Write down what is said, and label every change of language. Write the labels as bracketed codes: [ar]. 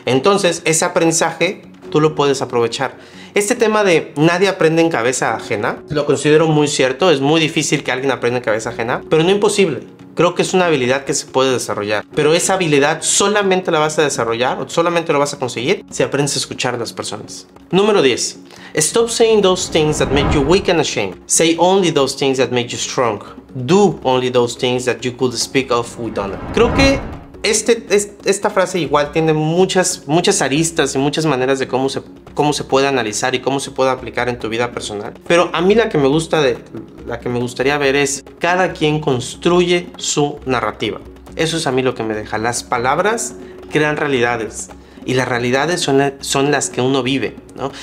[es] Entonces, ese aprendizaje tú lo puedes aprovechar. Este tema de nadie aprende en cabeza ajena, lo considero muy cierto. Es muy difícil que alguien aprenda en cabeza ajena, pero no imposible. Creo que es una habilidad que se puede desarrollar, pero esa habilidad solamente la vas a desarrollar o solamente lo vas a conseguir si aprendes a escuchar a las personas. Número 10. [en] Stop saying those things that make you weak and ashamed. Say only those things that make you strong. Do only those things that you could speak of with honor. [es] Creo que esta frase igual tiene muchas aristas y muchas maneras de cómo se puede analizar y cómo se puede aplicar en tu vida personal. Pero a mí la que me gustaría ver es cada quien construye su narrativa. Eso es a mí lo que me deja. Las palabras crean realidades y las realidades son las que uno vive, ¿no?